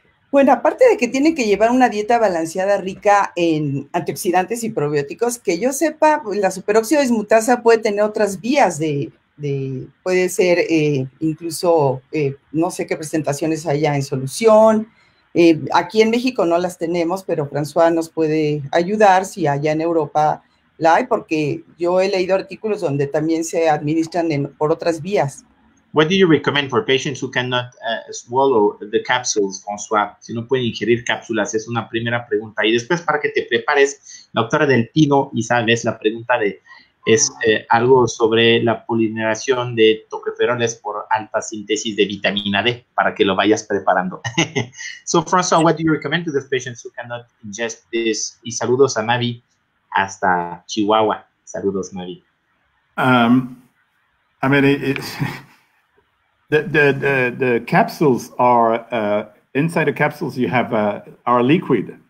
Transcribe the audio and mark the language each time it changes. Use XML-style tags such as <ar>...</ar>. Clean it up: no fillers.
<es>Bueno, aparte de que tiene que llevar una dieta balanceada rica en antioxidantes y probióticos, que yo sepa, la superóxido dismutasa puede tener otras vías puede ser incluso, no sé qué presentaciones haya en solución. Aquí en México no las tenemos, pero François nos puede ayudar si allá en Europa la hay, porque yo he leído artículos donde también se administran por otras vías.</es> <en>What do you recommend for patients who cannot swallow the capsules, François?</en> <es>Si no pueden ingerir cápsulas, es una primera pregunta. Y después, para que te prepares, la doctora Del Pino, y sabes, la pregunta de... Es algo sobre la polimerización de tocoferoles por alta síntesis de vitamina D, para que lo vayas preparando.</es> <en>So, François, what do you recommend to those patients who cannot ingest this?</en> <es>Y saludos a Mavi hasta Chihuahua. Saludos, Mavi.</es> <en>I mean, the capsules are, inside the capsules you have are liquid.</en>